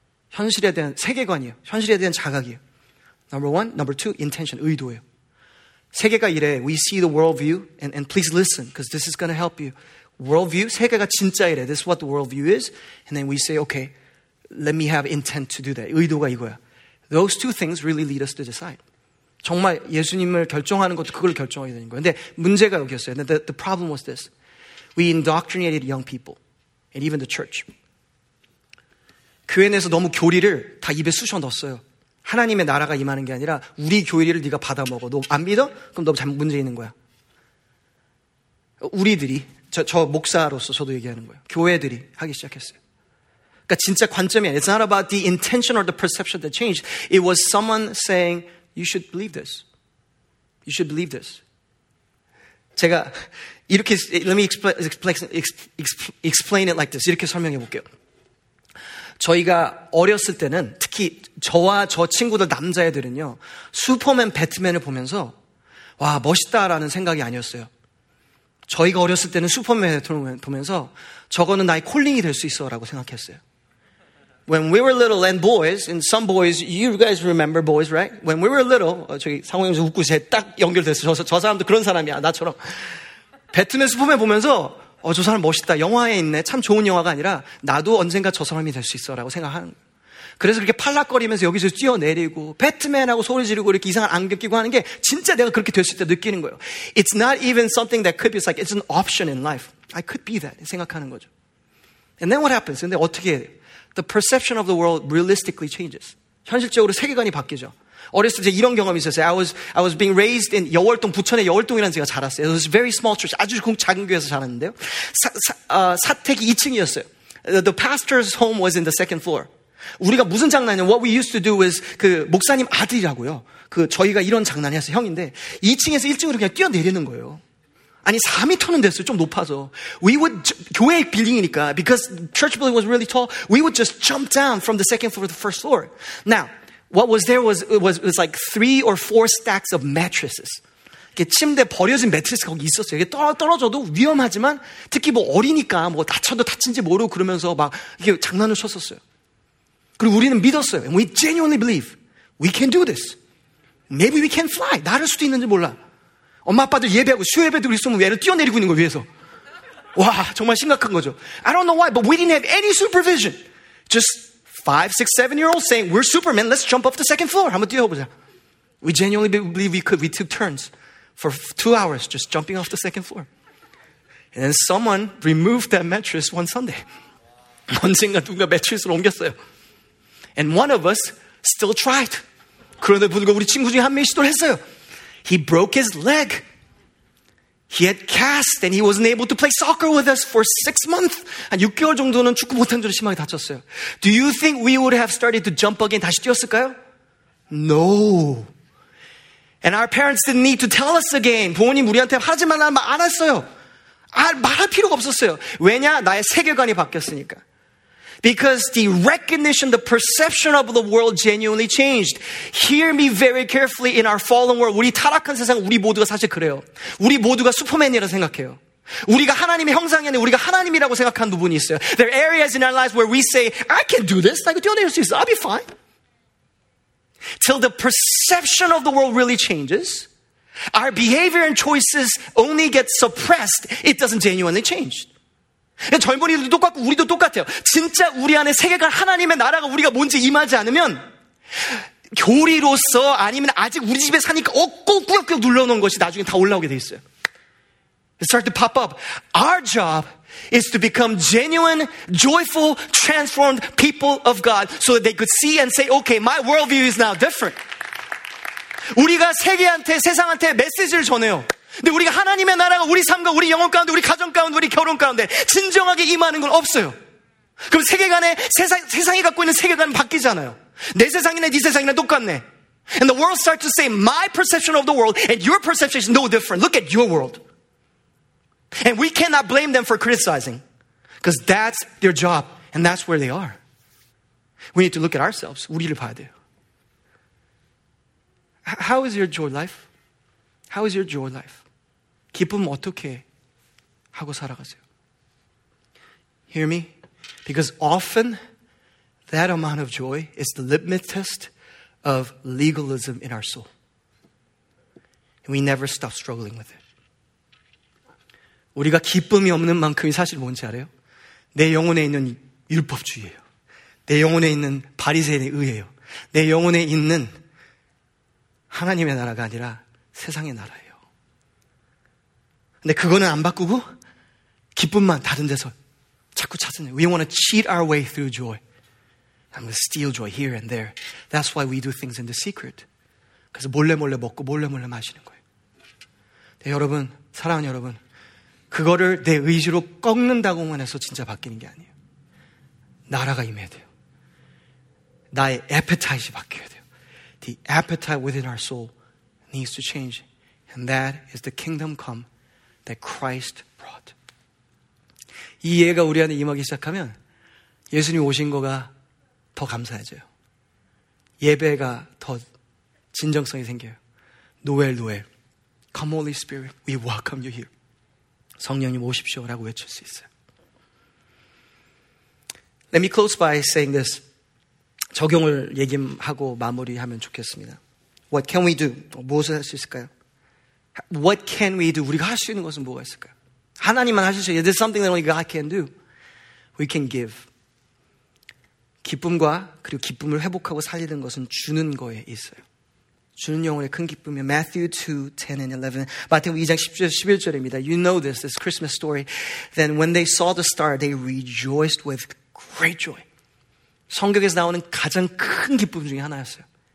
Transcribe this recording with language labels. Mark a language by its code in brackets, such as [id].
[ko] 현실에 대한 세계관이에요. 현실에 대한 자각이에요. [en] Number one, number two, intention, [ko] 의도예요. 세계가 이래. [en] We see the worldview, and please listen, because this is going to help you. Worldview, [ko] 세계가 진짜 이래. [en] This is what the worldview is. And then we say, okay, let me have intent to do that. [ko] 의도가 이거야. [en] Those two things really lead us to decide. [ko] 정말 예수님을 결정하는 것도 그걸 결정하게 되는 거예요. 근데 문제가 여기였어요. [en] The problem was this. We indoctrinated young people, and even the church. [ko] 교회 내에서 너무 교리를 다 입에 쑤셔 넣었어요. 하나님의 나라가 임하는 게 아니라 우리 교리를 네가 받아 먹어. 너 안 믿어? 그럼 너 잘 문제 있는 거야. 우리들이, 저 목사로서 저도 얘기하는 거예요. 교회들이 하기 시작했어요. 그러니까 진짜 관점이 아니에요. [en] It's not about the intention or the perception that changed. It was someone saying, you should believe this. You should believe this. [ko] 제가 이렇게, [en] let me explain it like this. [ko] 이렇게 설명해 볼게요. 저희가 어렸을 때는 특히 저와 저 친구들 남자애들은요 슈퍼맨 배트맨을 보면서 와 멋있다라는 생각이 아니었어요. 저희가 어렸을 때는 슈퍼맨 배트맨을 보면서 저거는 나의 콜링이 될 수 있어라고 생각했어요. [en] When we were little and boys and some boys, you guys remember boys, right? When we were little, [ko] 저기 상호형에서 웃고 있어요. 딱 연결됐어요. 저 사람도 그런 사람이야 나처럼. 배트맨 슈퍼맨 보면서 저 사람 멋있다. 영화에 있네. 참 좋은 영화가 아니라 나도 언젠가 저 사람이 될 수 있어라고 생각하는 거예요. 그래서 그렇게 팔락거리면서 여기서 뛰어내리고 배트맨하고 소리 지르고 이렇게 이상한 안경 끼고 하는 게 진짜 내가 그렇게 될 수 있다 느끼는 거예요. [en] It's not even something that could be. It's like it's an option in life. I could be that [ko] 생각하는 거죠. [en] And then what happens? [ko] 근데 어떻게 해야 돼요? [en] The perception of the world realistically changes. [ko] 현실적으로 세계관이 바뀌죠. 어렸을 때 이런 경험이 있었어요. [en] I was being raised in [ko] 여월동, 부천의 여월동이라는 데가 자랐어요. [en] It was very small church. [ko] 아주 작은 교회에서 자랐는데요. 사택이 2층이었어요. The pastor's home was in the second floor. 우리가 무슨 장난이냐. [en] What we used to do is [ko] 그 목사님 아들이라고요. 그 저희가 이런 장난이었어요. 형인데 2층에서 1층으로 그냥 뛰어내리는 거예요. 아니 4미터는 됐어요. 좀 높아서. [en] We would, [ko] 교회 빌딩이니까 [en] because church building was really tall, we would just jump down from the second floor to the first floor. Now, what was there was it was like three or four stacks of mattresses. [ko] 이렇게 침대 버려진 매트리스 거기 있었어요. 이게 떨어져도 위험하지만 특히 뭐 어리니까 뭐 다쳐도 다친지 모르고 그러면서 막 이게 장난을 쳤었어요. 그리고 우리는 믿었어요. [en] And we genuinely believe we can do this. Maybe we can fly. [ko] 날을 수도 있는지 몰라. 엄마 아빠들 예배하고 수예배도 있으면 얘를 뛰어내리고 있는 걸 위해서. 와 정말 심각한 거죠. [en] I don't know why, but we didn't have any supervision. Just 5, 6, 7-year-olds saying, we're Superman, let's jump off the second floor. [ko] 한번 뛰어보자. [en] We genuinely believe we could. We took turns for 2 hours just jumping off the second floor. And then someone removed that mattress one Sunday. [ko] 언젠가 누군가 매트리스를 옮겼어요. [en] And one of us still tried. [ko] 그런데 불구하고 우리 친구 중에 한 명이 시도를 했어요. [en] He broke his leg. He had cast and he wasn't able to play soccer with us for 6 months. [ko] 한 6개월 정도는 축구 못한 줄 심하게 다쳤어요. [en] Do you think we would have started to jump again [ko] 다시 뛰었을까요? [en] No. And our parents didn't need to tell us again. [ko] 부모님 우리한테 하지 말라는 말 안 했어요. 아, 말할 필요가 없었어요. 왜냐? 나의 세계관이 바뀌었으니까. [en] Because the recognition, the perception of the world genuinely changed. Hear me very carefully. In our fallen world, [ko] 우리 타락한 세상, 우리 모두가 사실 그래요. 우리 모두가 슈퍼맨이라고 생각해요. 우리가 하나님의 형상이 아니라 우리가 하나님이라고 생각한 부분이 있어요. [en] There are areas in our lives where we say, I can do this. I can do this. I'll be fine. Till the perception of the world really changes, Our behavior and choices only get suppressed. It doesn't genuinely change. [ko] 젊은이들도 똑같고 우리도 똑같아요. 진짜 우리 안에 세계관 하나님의 나라가 우리가 뭔지 임하지 않으면 교리로서 아니면 아직 우리 집에 사니까 꼭 꾸역꾸역 눌러놓은 것이 나중에 다 올라오게 돼 있어요. [en] It starts to pop up. Our job is to become genuine, joyful, transformed people of God so that they could see and say, okay, my worldview is now different. [ko] 우리가 세계한테, 세상한테 메시지를 전해요. 근데 우리가 하나님의 나라가 우리 삶과 우리 영혼 가운데, 우리 가정 가운데, 우리 결혼 가운데 진정하게 임하는 건 없어요. 그럼 세계관에, 세상이 갖고 있는 세계관은 바뀌잖아요. 내 세상이나 네 세상이나 똑같네. [en] And the world starts to say, my perception of the world and your perception is no different. Look at your world. And we cannot blame them for criticizing because that's their job and that's where they are. We need to look at ourselves. [ko] 우리를 봐야 돼요. [en] How is your joy life? How is your joy life? [ko] 기쁨 어떻게 하고 살아가세요? [en] Hear me? Because often that amount of joy is the litmus test of legalism in our soul. And we never stop struggling with it. [ko] 우리가 기쁨이 없는 만큼이 사실 뭔지 알아요? 내 영혼에 있는 율법주의예요. 내 영혼에 있는 바리새인의 의예요. 내 영혼에 있는 하나님의 나라가 아니라 세상의 나라예요. 근데 그거는 안 바꾸고 기쁨만 다른 데서 자꾸 찾으네요. [en] We want to cheat our way through joy. I'm going to steal joy here and there. That's why we do things in the secret. [ko] 그래서 몰래 먹고 몰래 마시는 거예요. 네, 여러분, 사랑하는 여러분. 그거를 내 의지로 꺾는다고만 해서 진짜 바뀌는 게 아니에요. 나라가 임해야 돼요. 나의 appetite이 바뀌어야 돼요. [en] The appetite within our soul needs to change. And that is the kingdom come that Christ brought. [ko] 이 이해가 우리 안에 임하기 시작하면 예수님 오신 거가 더 감사해져요. 예배가 더 진정성이 생겨요. [en] Noel, Noel. Come Holy Spirit, we welcome you here. [ko] 성령님 오십시오라고 외칠 수 있어요. [en] Let me close by saying this. [ko] 적용을 얘기하고 마무리하면 좋겠습니다. [en] What can we do? [ko] 무엇을 할 수 있을까요? [en] What can we do? [ko] 우리가 할 수 있는 것은 뭐가 있을까요? 하나님만 하실 수 있어요. [en] There's something that only God can do. We can give. [ko] 기쁨과 그리고 기쁨을 회복하고 살리는 것은 주는 거에 있어요. 주는 영혼의 큰 기쁨이에요. [en] Matthew 2, 10 and 11. [ko] 마태복음 2장 10절, 11절입니다. [en] You know this, this Christmas story. Then when they saw the star, they rejoiced with great joy. [ko] 성경에서 나오는 가장 큰 기쁨 중에 하나였어요.